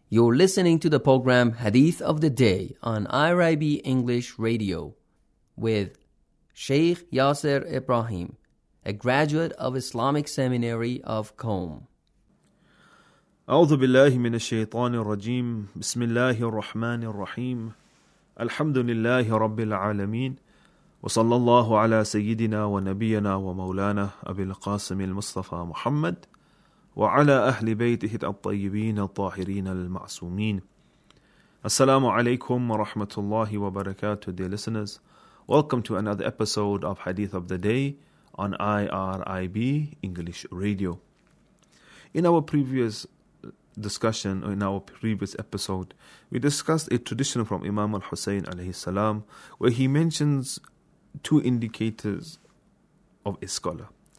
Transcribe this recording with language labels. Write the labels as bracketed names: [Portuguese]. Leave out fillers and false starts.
[English] You're listening to the program Hadith of the Day on IRIB English Radio with Sheikh Yasser Ibrahim, a graduate of Islamic Seminary of Qom. [Arabic] أعوذ بالله من الشيطان الرجيم بسم الله الرحمن الرحيم الحمد لله رب العالمين وصلى الله على سيدنا ونبينا ومولانا أبي القاسم المصطفى محمد وعلى أهل بيته الطيبين الطاهرين المعصومين السلام عليكم ورحمة الله وبركاته [English] dear listeners. Welcome to another episode of Hadith of the Day on IRIB English Radio. In our previous discussion, or in our previous episode, we discussed a tradition from Imam al-Husayn alayhi salam, where he mentions two indicators of a scholar.